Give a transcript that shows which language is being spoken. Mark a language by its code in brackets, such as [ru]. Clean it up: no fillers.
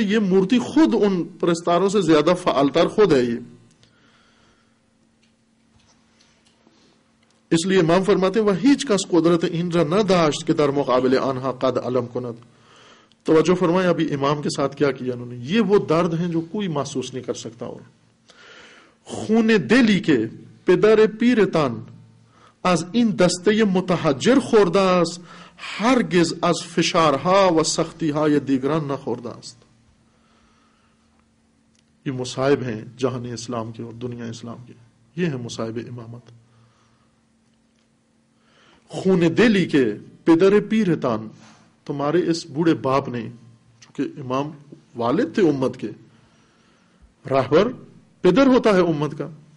[ur] یہ مورتی خود ان پرستاروں سے زیادہ فعال تر خود ہے. یہ اس لیے امام فرماتے [fa] وہ ہیچ کس قدرت ان رہ نہ داشت کے در مقابل انہا قد علم کند. [ur] توجہ فرمائیں ابھی امام کے ساتھ کیا کیا انہوں نے. یہ وہ درد ہیں جو کوئی محسوس نہیں کر سکتا. [fa] اور خون دلی کے پدر پیرتان از این دسته متحجر خورده است، هرگز از فشارها و سختیهای دیگران نخورده است. [ur] یہ مصائب ہیں جہان اسلام کے اور دنیا اسلام کے، یہ ہیں مصائب امامت. [fa] خون دلی کے پدر پیرتان، [ur] تمہارے اس بوڑھے باپ نے، چونکہ امام والد تھے امت کے، راہبر پدر ہوتا ہے امت کا.